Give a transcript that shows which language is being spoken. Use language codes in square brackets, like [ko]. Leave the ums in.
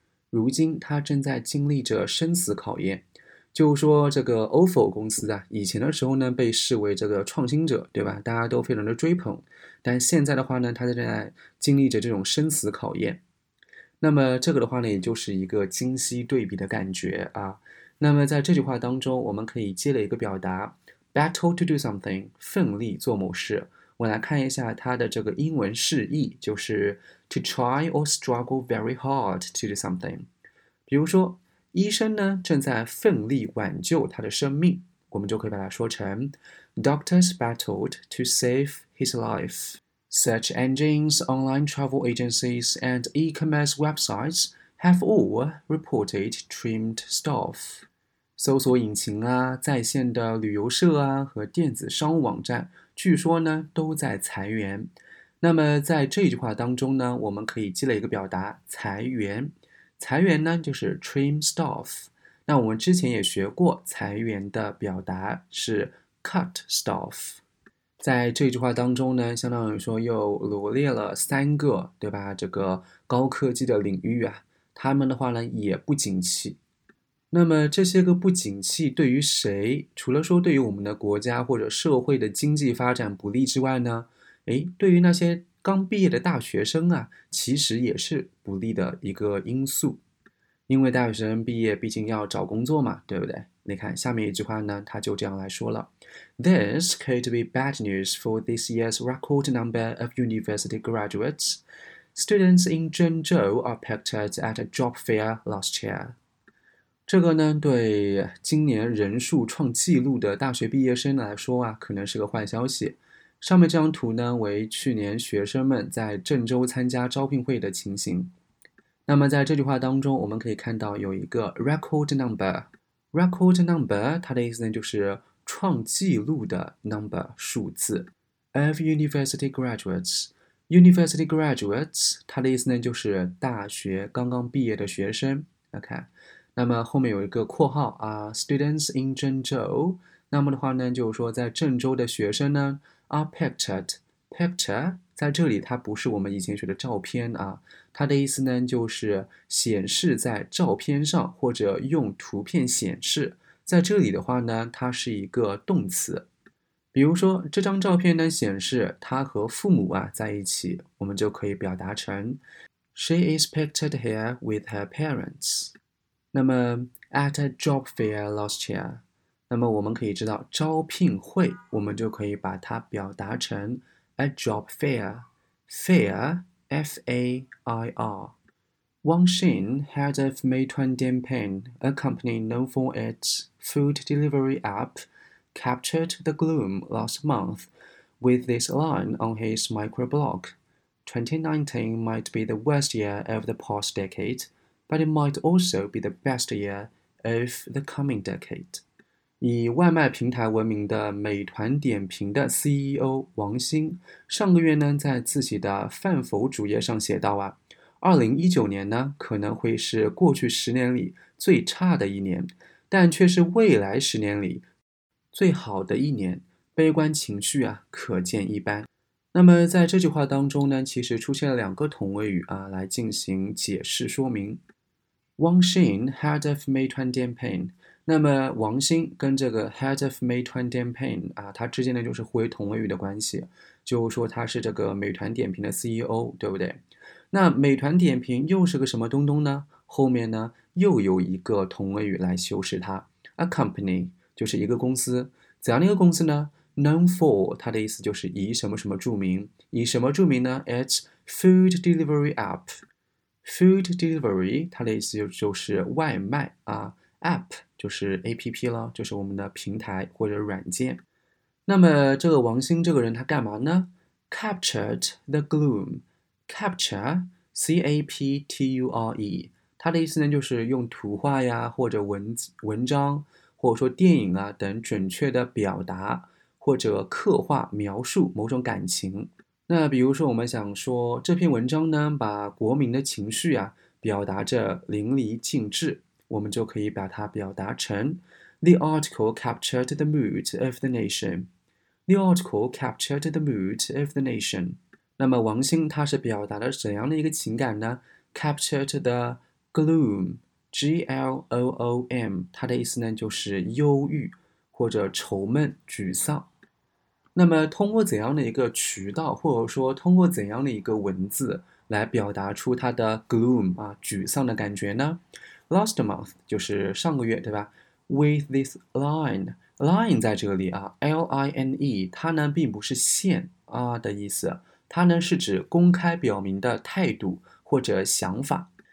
[zh] 如今它正在经历着生死考验。就是说，这个 OFO 公司啊，以前的时候呢，被视为这个创新者，对吧？大家都非常的追捧。但现在的话呢，它正在经历着这种生死考验。那么这个的话呢，也就是一个精细对比的感觉啊。那么在这句话当中，我们可以积累一个表达。 [en] back told to do something， [zh] 奋力做某事。 我来看一下它的这个英文释义，就是 [en] to try or struggle very hard to do something。 [zh] 比如说，医生呢正在奋力挽救他的生命，我们就可以把它说成 [en] Doctors battled to save his life. Search engines, online travel agencies, and e-commerce websites have all reported trimmed staff. [zh] 搜索引擎啊，在线的旅游社啊和电子商务网站，据说呢都在裁员。那么在这句话当中呢，我们可以积累一个表达“裁员”。裁员呢就是 “trim staff”。那我们之前也学过裁员的表达是 “cut staff”。在这句话当中呢，相当于说又罗列了三个，对吧？这个高科技的领域啊，他们的话呢也不景气。那么这些个不景气对于谁，除了说对于我们的国家或者社会的经济发展不利之外呢？诶，对于那些刚毕业的大学生啊，其实也是不利的一个因素，因为大学生毕业毕竟要找工作嘛，对不对？你看下面一句话呢，他就这样来说了： [en] This could be bad news for this year's record number of university graduates. Students in Zhengzhou are p i c k e d at a job fair last year. [zh] 这个呢，对今年人数创纪录的大学毕业生来说啊，可能是个坏消息。上面这张图呢，为去年学生们在郑州参加招聘会的情形。那么在这句话当中，我们可以看到有一个 record number。 record number 它的意思呢，就是创纪录的 number 数字。 of university graduates。 university graduates 它的意思呢，就是大学刚刚毕业的学生。来看。那么后面有一个括号啊，students in Zhengzhou。那么的话呢，就是说在郑州的学生呢，are pictured。 pictured 在这里它不是我们以前学的照片啊，它的意思呢就是显示在照片上或者用图片显示。在这里的话呢，它是一个动词。比如说这张照片呢显示他和父母啊在一起，我们就可以表达成， [en] She is pictured here with her parents。那么 at a job fair last year, year， [zh] 那么我们可以知道招聘会，我们就可以把它表达成 [en] a job fair, fair, f a Wang Xin, head of Meituan Dianpeng, a company known for its food delivery app, captured the gloom last month with this line on his microblog. 2019 might be the worst year of the past decade, But it might also be the best year of the coming decade。 [zh] 以外卖平台闻名的美团点评的 CEO 王兴上个月呢，在自己的饭否主页上写道啊，二零一九年呢可能会是过去十年里最差的一年，但却是未来十年里最好的一年。悲观情绪啊，可见一斑。那么在这句话当中呢，其实出现了两个同位语啊，来进行解释说明。 Wang Xin head of Meituan d i a n p i n 那么王鑫跟这个 head of Meituan d i a n p i n 啊，它之间呢就是互为同位语的关系。就说他是这个美团点评的 CEO，对不对？那美团点评又是个什么东东呢？后面呢又有一个同位语来修饰它，a company，就是一个公司。怎样的一个公司呢？Known for，它的意思就是以什么什么著名。以什么著名呢？ [en] It's food delivery app。 [zh] Food delivery，它的意思就就是外卖啊。 App 就是 A P P 了，就是我们的平台或者软件。那么这个王兴这个人他干嘛呢？Captured the gloom，capture，C A P T U R E，他的意思呢就是用图画呀或者文字、文章或者说电影啊等准确的表达或者刻画描述某种感情。那比如说，我们想说这篇文章呢，把国民的情绪啊表达着淋漓尽致，我们就可以把它表达成： [en] The article captured the mood of the nation. The article captured the mood of the nation. [zh] 那么王兴他是表达了怎样的一个情感呢？Captured the gloom, g l o o m，它的意思呢就是忧郁或者愁闷、沮丧。那么通过怎样的一个渠道，或者说通过怎样的一个文字来表达出他的 gloom 啊沮丧的感觉呢？Last month 就是上个月，对吧？With this line，line line 在这里啊，L-I-N-E，它呢并不是线啊的意思，它呢是指公开表明的态度或者想法。